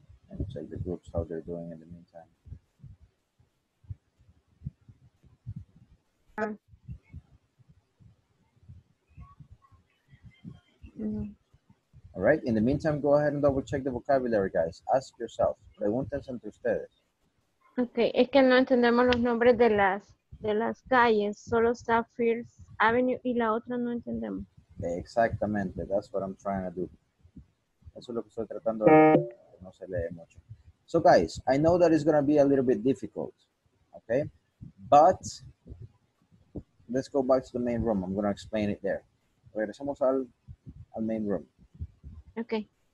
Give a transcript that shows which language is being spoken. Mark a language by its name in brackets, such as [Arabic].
[English] And check the groups how they're doing in the meantime. All right, in the meantime, go ahead and double check the vocabulary, guys. Ask yourself. [Spanish] Preguntas entre ustedes. Okay, es que no entendemos los nombres de las calles, solo está first Avenue y la otra no entendemos. [English] Exactamente, that's what I'm trying to do. [Spanish] Eso es lo que estoy tratando de hacer. No se lee mucho. [English] So guys, I know that it's going to be a little bit difficult, okay? But let's go back to the main room. I'm going to explain it there. [Spanish] Regresamos al [English] main room. Okay.